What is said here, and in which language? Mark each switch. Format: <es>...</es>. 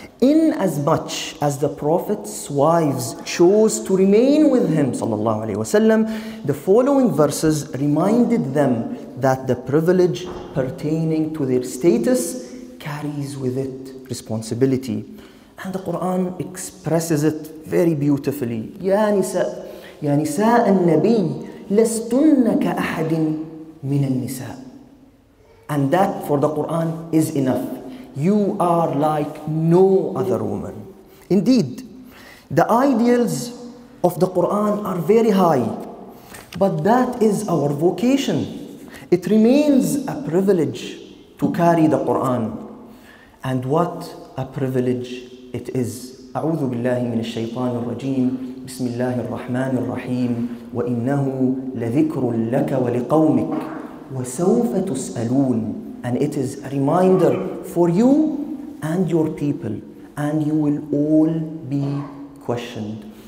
<en>In as much as the Prophet's wives chose to remain with him, sallallahu alayhi wa sallam, the following verses reminded them that the privilege pertaining to their status carries with it responsibility. And the Quran expresses it very beautifully.</en> <ar>يا نساء النبي لستن كأحد من النساء.</ar> <en>And that, for the Quran, is enough. You are like no other woman. Indeed, the ideals of the Quran are very high, but that is our vocation. It remains a privilege to carry the Quran. And what a privilege it is.</en> <ar>أعوذ بالله من الشيطان الرجيم بسم الله الرحمن الرحيم وإنه لذكر لك ولقومك وسوف تسألون.</ar> <en>And it is a reminder for you and your people, and you will all be questioned.</en>